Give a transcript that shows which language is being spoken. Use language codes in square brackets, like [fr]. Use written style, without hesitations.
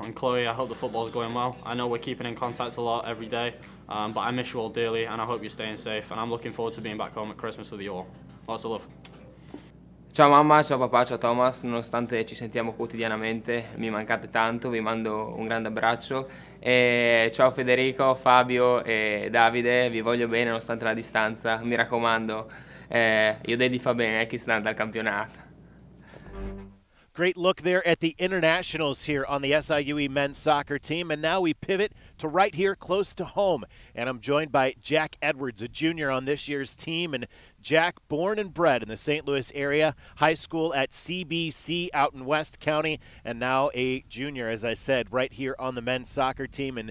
[en] And Chloe, I hope the football's going well. I know we're keeping in contact a lot every day, but I miss you all dearly, and I hope you're staying safe. And I'm looking forward to being back home at Christmas with you all. Lots of love. [it] Ciao mamma, ciao papà, ciao Thomas. Nonostante ci sentiamo quotidianamente, mi mancate tanto, vi mando un grande abbraccio. E ciao Federico, Fabio e Davide, vi voglio bene nonostante la distanza. Mi raccomando, io devi fa bene, chi sta andando al campionato. [en] Great look there at the internationals here on the SIUE men's soccer team. And now we pivot to right here close to home. And I'm joined by Jack Edwards, a junior on this year's team. And Jack, born and bred in the St. Louis area, high school at CBC out in West County, and now a junior, as I said, right here on the men's soccer team.